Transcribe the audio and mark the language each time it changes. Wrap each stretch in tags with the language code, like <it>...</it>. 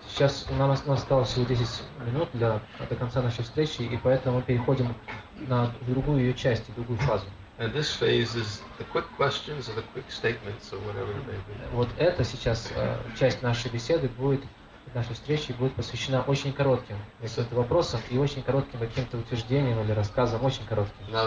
<ru>Сейчас у нас осталось всего 10 минут до конца нашей встречи, и поэтому мы переходим на другую ее часть, и другую фазу.</ru> <en>And this phase is the quick questions or the quick statements or whatever it may be.</en> <ru>Вот это сейчас часть нашей беседы будет. Наша встреча будет посвящена очень коротким вопросам и очень коротким каким-то утверждениям или рассказам, очень коротким.</ru>